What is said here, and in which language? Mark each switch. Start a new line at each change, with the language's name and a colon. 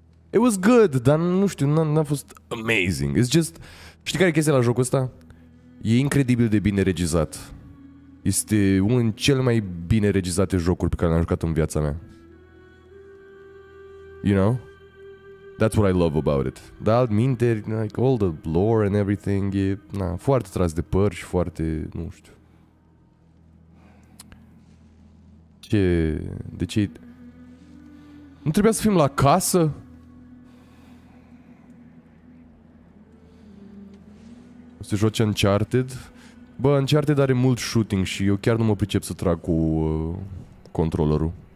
English: It was good,
Romanian: dar nu știu, n-a fost amazing.
English: It's just,
Romanian: știi care e chestia la jocul ăsta? E incredibil de bine regizat. Este unul din cele mai bine regizate jocuri pe care le-am jucat în viața mea.
English: You know? That's what I love about it.
Romanian: Da, minteri,
English: like all the lore and everything.
Romanian: E, na, foarte tras de păr și foarte, nu știu. Ce? De ce? Nu trebuia să fim la casă? O să joci Uncharted? Bă, Uncharted are mult shooting și eu chiar nu mă pricep să trag cu controllerul.